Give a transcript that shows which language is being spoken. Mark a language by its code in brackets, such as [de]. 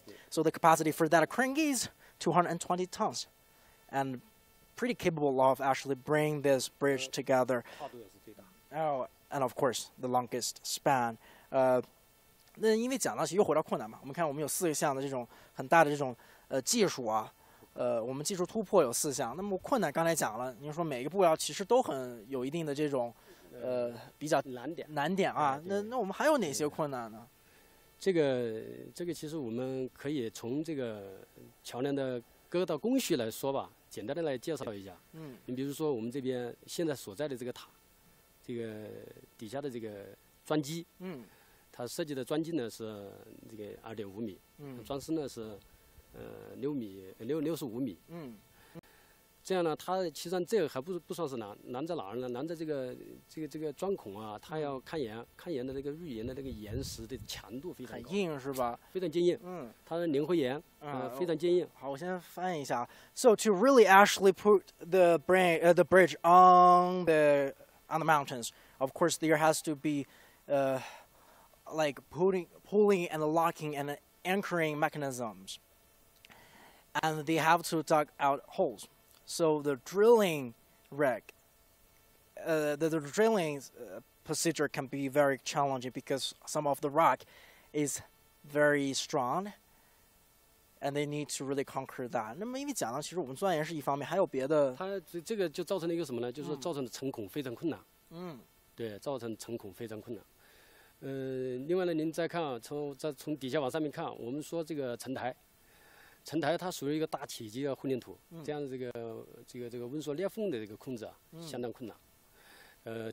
[en] So the capacity for that crane is 220 tons and pretty capable of actually bringing this bridge together. Oh, and of course, the longest span. [zh] 那因为讲到其实又回到困难嘛，我们看我们有四项的这种很大的这种技术啊，我们技术突破有四项。那么困难刚才讲了，您说每个步骤其实都很有一定的这种比较难点啊。那我们还有哪些困难呢？这个其实我们可以从这个桥梁的各道工序来说吧，简单的来介绍一下。嗯，你比如说我们这边现在所在的这个塔，这个底下的这个桩基，嗯，它设计的桩径呢是这个2.5米，嗯，桩身呢是六十五米，嗯，这样呢，它其实这个还不算是难在哪儿呢？难在这个钻孔啊，它要勘岩的那个预岩的那个岩石的强度非常高，很硬是吧？非常坚硬。嗯，它是凝灰岩，非常坚硬。好，我先翻译一下。 [en] So to really actually put the bridge on the mountains, of course there has to be, like pulling and locking and anchoring mechanisms, and they have to dug out holes. So the drilling rig, the drilling procedure can be very challenging because some of the rock is very strong, and they need to really conquer that. [zh] 那么因为讲到其实我们钻岩是一方面，还有别的。它这个就造成了一个什么呢？就是造成的成孔非常困难。嗯，对，造成成孔非常困难。另外呢，您再看，从底下往上面看，我们说这个层台它属于一个大体积的混凝土，这样这个温缩裂缝的这个控制啊，相当困难。